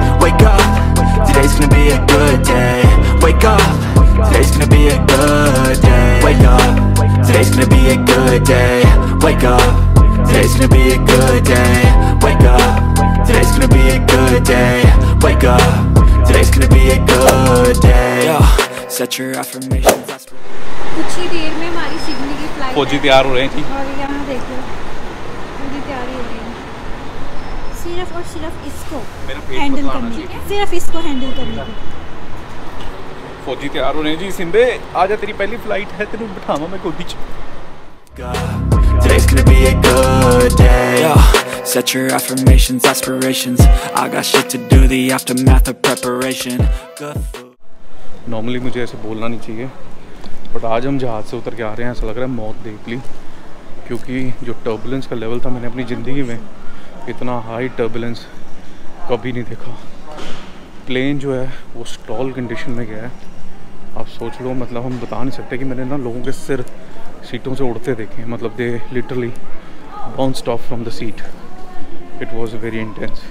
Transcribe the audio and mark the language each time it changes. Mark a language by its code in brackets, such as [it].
[en] Wake up, today's gonna be a good day. Wake up, today's gonna be a good day. Wake up, today's gonna be a good day. Wake up, today's gonna be a good day. Wake up, today's gonna be a good day. Wake up, today's gonna be a good day. Set your affirmations. [hi] कुछ ही देर में हमारी Sydney की flight फौजी तैयार हो रहे थी और यहाँ देखो मुझे तैयारी हो रही है सिर्फ और सिर्फ इसको हैंडल करने सिर्फ इसको हैंडल करने के फौजी तैयार हो रहे हैं जी सिंधे आ जा तेरी पहली फ्लाइट है [pa] तेरे को बिठावा मैं गोदी च [en] Today's gonna be a good day. Yo, set your affirmations, aspirations. I got shit to do, the aftermath of preparation. Good food. [hi] Normally मुझे ऐसे बोलना नहीं चाहिए बट आज हम जहाज से उतर के आ रहे हैं ऐसा लग रहा है मौत देख ली क्योंकि जो टर्बुलेंस का लेवल था मैंने अपनी ज़िंदगी में इतना हाई टर्बुलेंस कभी नहीं देखा प्लेन जो है वो स्टॉल कंडीशन में गया है आप सोच लो मतलब हम बता नहीं सकते कि मैंने ना लोगों के सिर सीटों से उड़ते देखे मतलब [en] they literally bounced off from the seat it was very intense